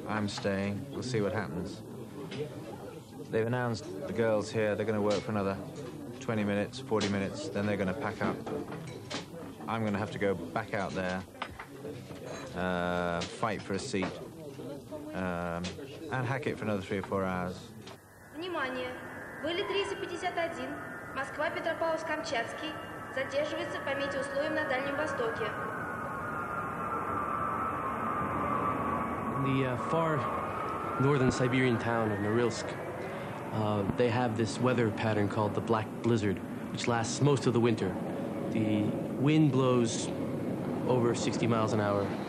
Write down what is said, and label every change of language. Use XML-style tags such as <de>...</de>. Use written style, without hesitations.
<en>I'm staying, we'll see what happens. They've announced the girls here, they're gonna work for another 20 minutes, 40 minutes, then they're gonna pack up. I'm gonna have to go back out there, fight for a seat, and hack it for another 3 or 4 hours.</en> <ru>Внимание! Вылет 351, Москва, Петропавловск, Камчатский. Задерживается по метеоусловиям на Дальнем Востоке.</ru> <en>In the far northern Siberian town of Norilsk, they have this weather pattern called the Black Blizzard, which lasts most of the winter. The wind blows over 60 miles an hour.</en>